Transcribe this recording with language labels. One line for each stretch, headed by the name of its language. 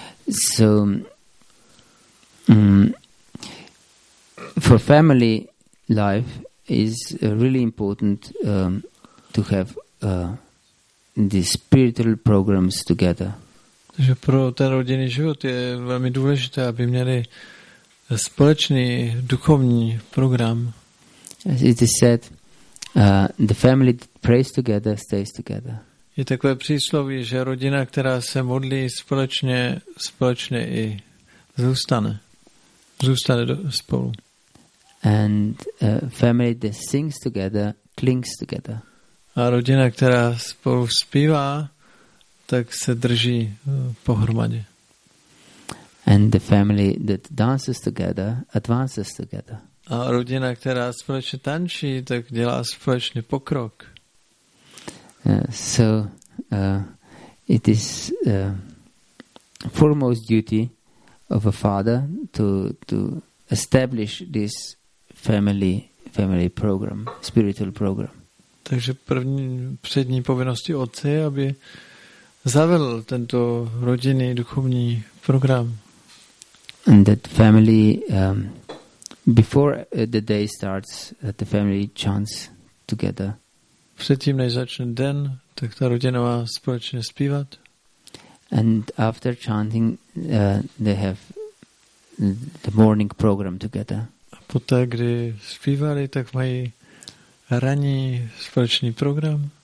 English: So for family life is really important to have these spiritual programs together.
Czech: Takže pro ten rodinný život je velmi důležité, aby měli společný duchovní program.
English: As it is said, the family that prays together stays together.
Czech: Je takové přísloví, že rodina, která se modlí společně, společně i zůstane. Zůstane spolu.
English: And family that sings together clings together.
Czech: A rodina, která spolu zpívá, tak se drží pohromadě.
English: And the family that dances together advances together.
Czech: A rodina, která společně tančí, tak dělá společně pokrok.
English: So it is foremost duty of a father to establish this family program, spiritual program.
Czech: Takže první přední povinnosti otce je, aby zavedl tento rodinný duchovní program.
English: And that family before the day starts, the family chants together.
Czech: Předtím, než začne den, tak ta rodina má společně zpívat.
English: And after chanting, they have the morning program together.
Czech: A poté, kdy zpívali, tak mají ranní společný program.